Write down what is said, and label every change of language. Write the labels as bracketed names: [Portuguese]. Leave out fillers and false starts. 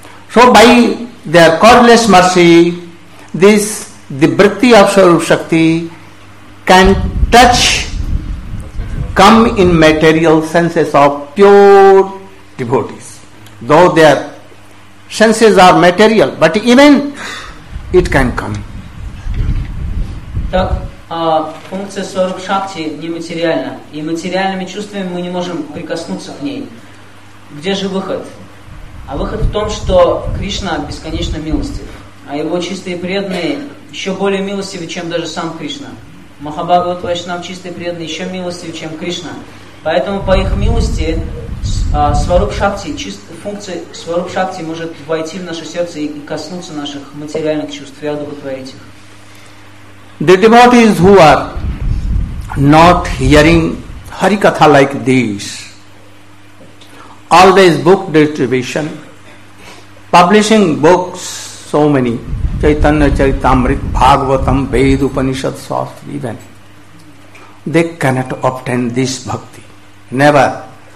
[English] So by their causeless mercy, this the vritti of Swarup Shakti can touch, come in material senses of pure devotees, though they are senses are material, but even it can come. [Russian] Так, функция 40 шакти нематериальна, и материальными чувствами мы не можем прикоснуться к ней. Где же выход? А выход в том, что Кришна бесконечно милостив, а его чистые преданные еще более милостивы, чем даже сам Кришна. Махабхагават Вайшнав чистые преданные еще милостивы, чем Кришна. Поэтому по их милости функция сваруп шакти может войти в наше сердце и коснуться наших материальных чувств и одухотворить их. [English] The devotees who are not hearing Harikatha like this, always book distribution, publishing books, so many, Chaitanya Charitamrita, Bhagavatam, Ved, Upanishad, Swastri, even, they cannot obtain this bhakti. Never.